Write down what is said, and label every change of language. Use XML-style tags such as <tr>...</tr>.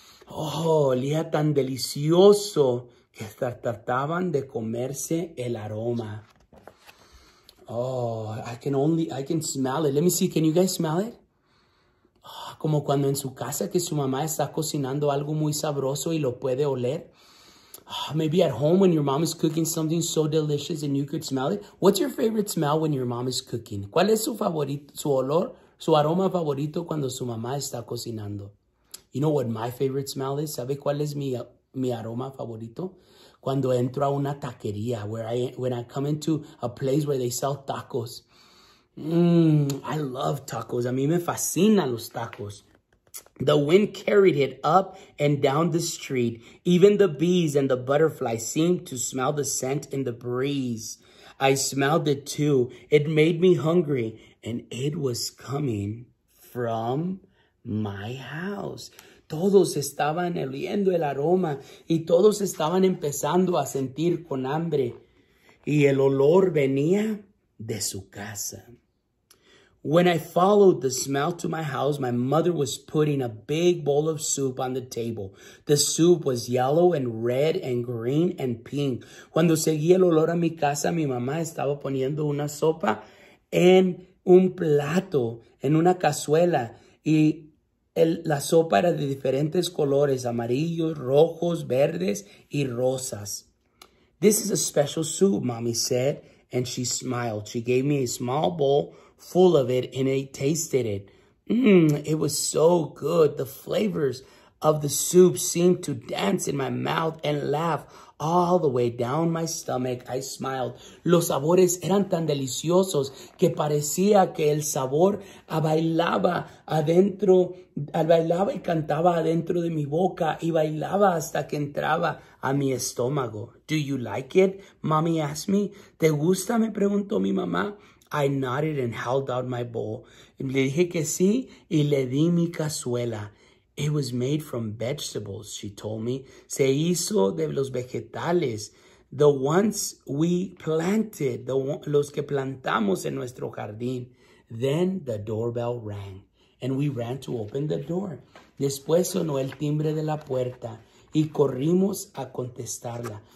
<es>Oh, olía tan delicioso que trataban de comerse el aroma.</es> <en>Oh, I can smell it. Let me see, can you guys smell it?</en> <es>Oh, como cuando en su casa que su mamá está cocinando algo muy sabroso y lo puede oler.</es> <en>Oh, maybe at home when your mom is cooking something so delicious and you could smell it. What's your favorite smell when your mom is cooking?</en> <es>¿Cuál es su favorito, su olor, su aroma favorito cuando su mamá está cocinando?</es> <en>You know what my favorite smell is?</en> <es>¿Sabe cuál es mi aroma favorito? Cuando entro a una taquería,</es> <en>when I come into a place where they sell tacos. I love tacos.</en> <es>A mí me fascinan los tacos.</es> <en>The wind carried it up and down the street. Even the bees and the butterflies seemed to smell the scent in the breeze. I smelled it too. It made me hungry. And it was coming from my house.</en> <es>Todos estaban oliendo el aroma y todos estaban empezando a sentir con hambre. Y el olor venía de su casa.</es> <en>When I followed the smell to my house, my mother was putting a big bowl of soup on the table. The soup was yellow and red and green and pink.</en> <es>Cuando seguí el olor a mi casa, mi mamá estaba poniendo una sopa en un plato, en una cazuela, y la sopa era de diferentes colores, amarillos, rojos, verdes, y rosas.</es> <en>This is a special soup, Mommy said, and she smiled. She gave me a small bowl full of it, and I tasted it. It was so good. The flavors of the soup seemed to dance in my mouth and laugh all the way down my stomach. I smiled.</en> <es>Los sabores eran tan deliciosos que parecía que el sabor bailaba y cantaba adentro de mi boca y bailaba hasta que entraba a mi estómago.</es> <en>Do you like it? Mommy asked me.</en> <es>¿Te gusta? Me preguntó mi mamá.</es> <en>I nodded and held out my bowl.</en> <es>Le dije que sí y le di mi cazuela.</es> <en>It was made from vegetables, she told me.</en> <es>Se hizo de los vegetales.</es> <en>The ones we planted,</en> <es>los que plantamos en nuestro jardín.</es> <en>Then the doorbell rang and we ran to open the door.</en> <es>Después sonó el timbre de la puerta y corrimos a contestarla.</es>